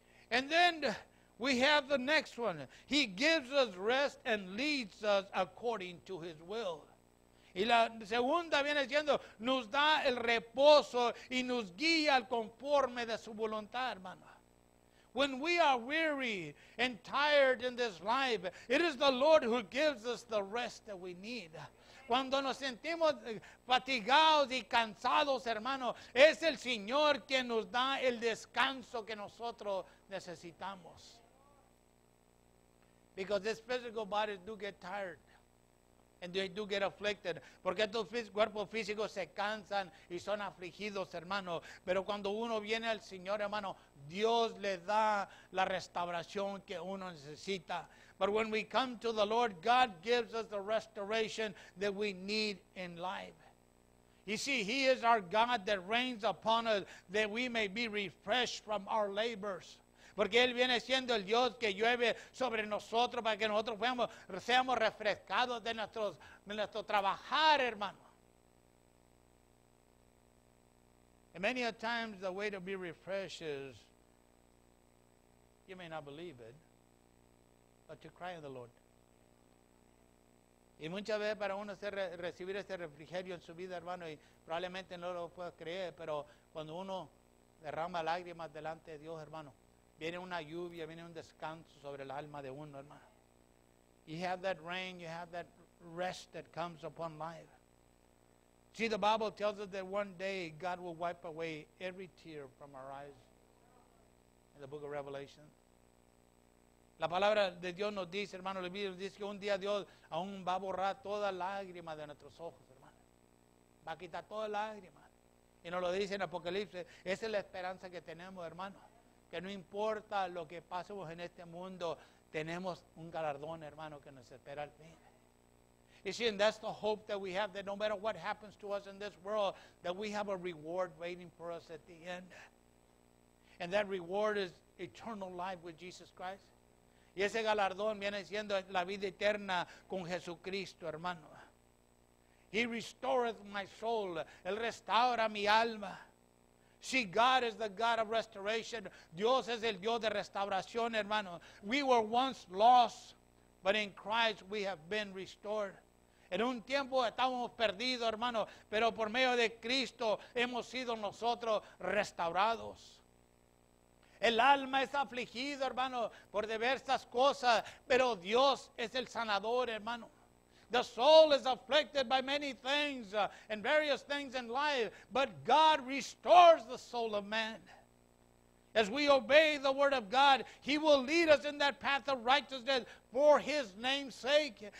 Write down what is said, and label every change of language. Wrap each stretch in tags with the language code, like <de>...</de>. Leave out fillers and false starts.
<en>And then we have the next one. He gives us rest and leads us according to his will.</en> <es>Y la segunda viene siendo, nos da el reposo y nos guía al conforme de su voluntad, hermano.</es> <en>When we are weary and tired in this life, it is the Lord who gives us the rest that we need.</en> <es>Cuando nos sentimos fatigados y cansados, hermano, es el Señor quien nos da el descanso que nosotros necesitamos.</es> <en>Because this physical bodies do get tired. And they do get afflicted.</en> <es>Porque estos cuerpos físicos se cansan y son afligidos, hermano. Pero cuando uno viene al Señor, hermano, Dios le da la restauración que uno necesita.</es> <en>But when we come to the Lord, God gives us the restoration that we need in life. You see, he is our God that reigns upon us that we may be refreshed from our labors.</en> <es>Porque Él viene siendo el Dios que llueve sobre nosotros para que nosotros seamos refrescados de nuestro trabajar, hermano.</es> <en>And many a times the way to be refreshed is, you may not believe it, but to cry in the Lord.</en> <es>Y muchas veces para uno recibir ese refrigerio en su vida, hermano, y probablemente no lo pueda creer, pero cuando uno derrama lágrimas delante de Dios, hermano, viene una lluvia, viene un descanso sobre el alma de uno, hermano.</es> <en>You have that rain, you have that rest that comes upon life. See, the Bible tells us that one day God will wipe away every tear from our eyes. In the book of Revelation.</en> <es>La palabra de Dios nos dice, hermano, dice que un día Dios aún va a borrar toda lágrima de nuestros ojos, hermano. Va a quitar toda lágrima. Y nos lo dice en Apocalipsis. Esa es la esperanza que tenemos, hermano. Que no importa lo que pasemos en este mundo, tenemos un galardón, hermano, que nos espera al fin.</es> <en>You see, and that's the hope that we have, that no matter what happens to us in this world, that we have a reward waiting for us at the end. And that reward is eternal life with Jesus Christ.</en> <es>Y ese galardón viene siendo la vida eterna con Jesucristo, hermano.</es> <en>He restoreth my soul.</en> <es>Él restaura mi alma.</es> <en>See, God is the God of restoration.</en> <es>Dios es el Dios de restauración, hermano.</es> <en>We were once lost, but in Christ we have been restored.</en> <es>En un tiempo estábamos perdidos, hermano, pero por medio de Cristo hemos sido nosotros restaurados. El alma es afligido, hermano, por diversas cosas, pero Dios es el sanador, hermano.</es> <en>The soul is afflicted by many things and various things in life, but God restores the soul of man. As we obey the word of God, he will lead us in that path of righteousness for his name's sake.</en>